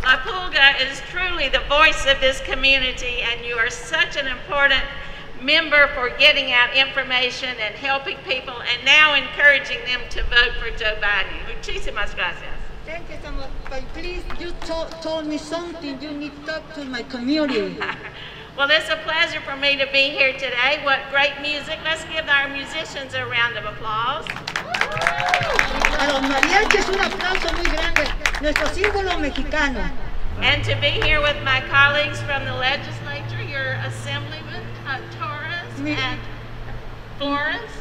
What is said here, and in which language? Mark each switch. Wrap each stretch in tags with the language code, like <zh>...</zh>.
<en>La Pulga is truly the voice of this community, and you are such an important member for getting out information and helping people, and now encouraging them to vote for Joe Biden.</en> <es>Muchísimas gracias.</es> <en>Thank you so much, but please, you told me something, you need to talk to my community. Well, it's a pleasure for me to be here today. What great music. Let's give our musicians a round of applause.</en> <es>A los mariachis un aplauso muy grande, nuestro símbolo mexicano.</es> <en>And to be here with my colleagues from the legislature, your assemblyman, Torres and Florence.</en>